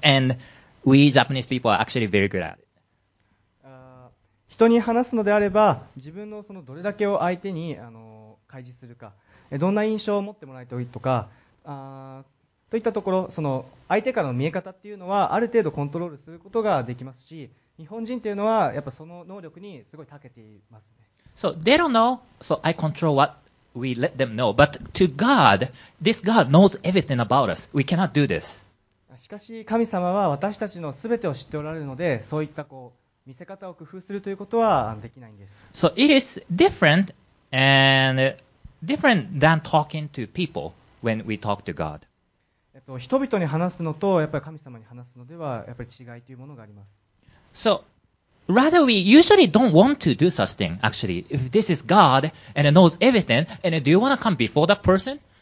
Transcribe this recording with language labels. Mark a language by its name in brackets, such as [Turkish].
[English] And we Japanese people are actually very good at it. [Japanese] 人に話すのであれば、自分のそのどれだけを相手に開示するか、どんな印象を持ってもらいたいとか、といったところ、その相手からの見え方っていうのはある程度コントロールすることができますし、日本人っていうのはやっぱその能力にすごい長けていますね。 [English] So they don't know, so I control what we let them know. But to God, this God knows everything about us. We cannot do this. [Japanese] しかし神様は私たちのすべてを知っておられるので、そういったこう見せ方を工夫するということはできないんです。 [English] So it is different and different than talking to people when we talk to God. [Japanese] 人々に話すのとやっぱり神様に話すのではやっぱり違いというものがあります。 [English] So, rather we usually don't want to do such thing, actually. If this is God and it knows everything, and do you want to come before that person?